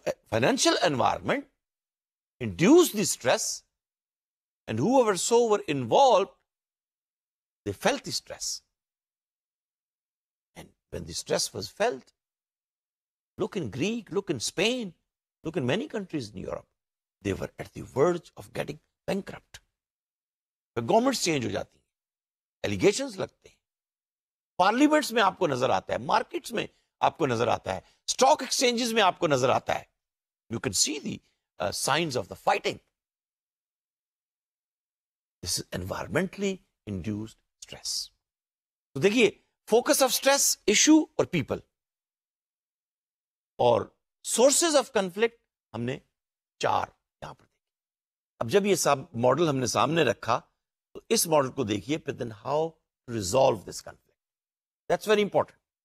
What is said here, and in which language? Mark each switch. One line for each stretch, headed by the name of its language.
English: Financial environment induce the stress, and whoever so were involved the felt the stress, and when the stress was felt, look in Greece, look in Spain, look in many countries in Europe, they were at the verge of getting bankrupt.
Urdu: Governments change ہو جاتی ہیں, allegations لگتے ہیں, parliaments میں آپ کو نظر آتا ہے, مارکیٹس میں آپ کو نظر آتا ہے, اسٹاک ایکسچینجز میں آپ کو نظر آتا ہے.
English: You can see the signs of the fighting. This is environmentally induced stress.
Urdu: تو دیکھیے,
English: focus of stress, issue اور people, اور sources of conflict
Urdu: ہم نے چار یہاں پر دیکھے. اب جب یہ سب ماڈل ہم نے سامنے رکھا, تو اس ماڈل کو دیکھیے, پھر
English: Then how to resolve this conflict. That's very important.